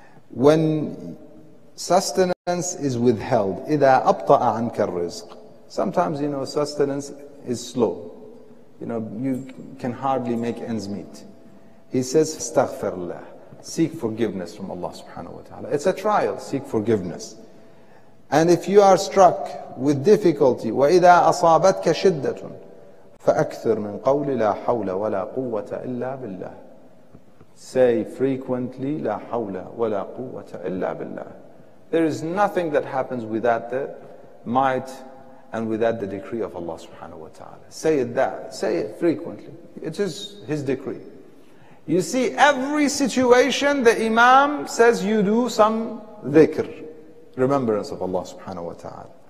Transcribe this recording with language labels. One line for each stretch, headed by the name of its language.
English: When sustenance is withheld,
Arabic: إِذَا أَبْطَأَ عَنْكَ الرِّزْقِ,
English: sometimes, you know, sustenance is slow. You know, you can hardly make ends meet. He says,
Arabic: استغفر الله.
English: Seek forgiveness from Allah subhanahu wa ta'ala. It's a trial. Seek forgiveness. And if you are struck with difficulty,
Arabic: وَإِذَا أَصَابَتْكَ شِدَّةٌ فَأَكْثِرْ مِنْ قَوْلِ لَا حَوْلَ وَلَا قُوَّةَ إِلَّا بِاللَّهِ.
English: Say frequently,
Arabic: لَا حَوْلَ وَلَا قُوَّةَ إِلَّا بِاللَّهِ.
English: There is nothing that happens without the might and without the decree of Allah subhanahu wa ta'ala. Say it that. Say it frequently. It is His decree. You see, every situation, the Imam says you do some dhikr, remembrance of Allah subhanahu wa ta'ala.